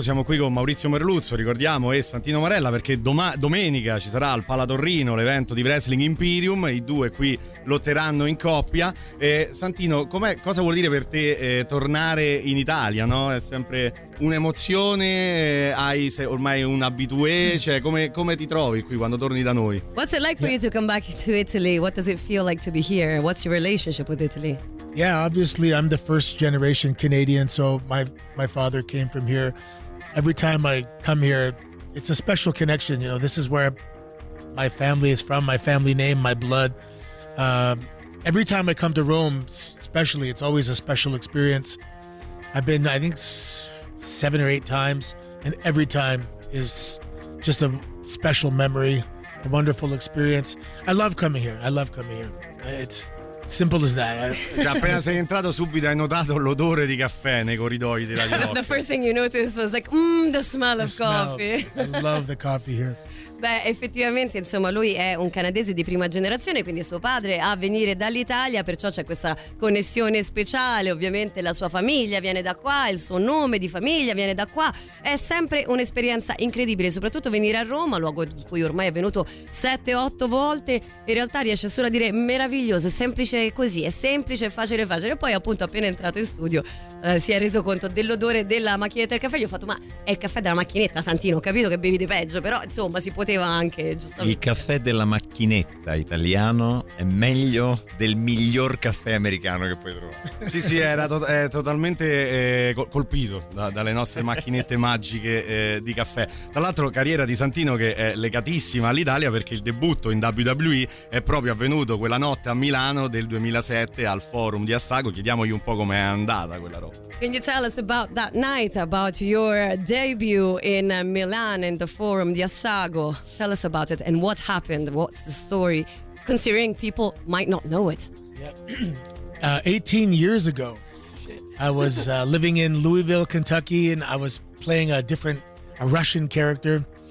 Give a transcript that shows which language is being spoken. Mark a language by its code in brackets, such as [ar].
[it] Siamo qui con Maurizio Merluzzo, ricordiamo, e Santino Marella, perché domenica ci sarà al Pala Torrino l'evento di Wrestling Imperium. I due qui lotteranno in coppia. Santino, cosa vuol dire per te tornare in Italia? No? È sempre un'emozione, hai ormai un abitué, cioè come ti trovi qui quando torni da noi? [en] What's it like for you to come back to Italy? What does it feel like to be here? What's your relationship with Italy? Yeah, obviously I'm the first generation Canadian, so my father came from here. Every time I come here, it's a special connection. You know, this is where my family is from, my family name, my blood. Every time I come to Rome, especially, it's always a special experience. I've been, I think, 7 or 8 times, and every time is just a special memory, a wonderful experience. I love coming here. I love coming here. It's simple as that. [it] Appena sei entrato, subito hai notato l'odore di caffè nei corridoi di Radio Rock. [en] The first thing you noticed was like, the smell of coffee. I love the coffee here. [it] Beh, effettivamente, insomma, lui è un canadese di prima generazione, quindi suo padre a venire dall'Italia, perciò c'è questa connessione speciale. Ovviamente la sua famiglia viene da qua, il suo nome di famiglia viene da qua. È sempre un'esperienza incredibile, soprattutto venire a Roma, luogo in cui ormai è venuto 7-8 volte. In realtà riesce solo a dire meraviglioso, semplice così, è semplice, facile. E poi, appunto, appena è entrato in studio, si è reso conto dell'odore della macchinetta del caffè. Gli ho fatto, ma è il caffè della macchinetta, Santino? Ho capito che bevi di peggio, però, insomma, si può. Poteva anche, giustamente. Il caffè della macchinetta italiano è meglio del miglior caffè americano che puoi trovare. Sì, sì, è totalmente colpito dalle nostre macchinette magiche di caffè. Tra l'altro, carriera di Santino che è legatissima all'Italia, perché il debutto in WWE è proprio avvenuto quella notte a Milano del 2007 al Forum di Assago. Chiediamogli un po' com'è andata quella roba. [en] Can you tell us about that night, about your debut in Milan in the Forum di Assago? Tell us about it and what happened. What's the story? Considering people might not know it. Yeah. 18 years ago, I was living in Louisville, Kentucky, and I was playing a Russian character.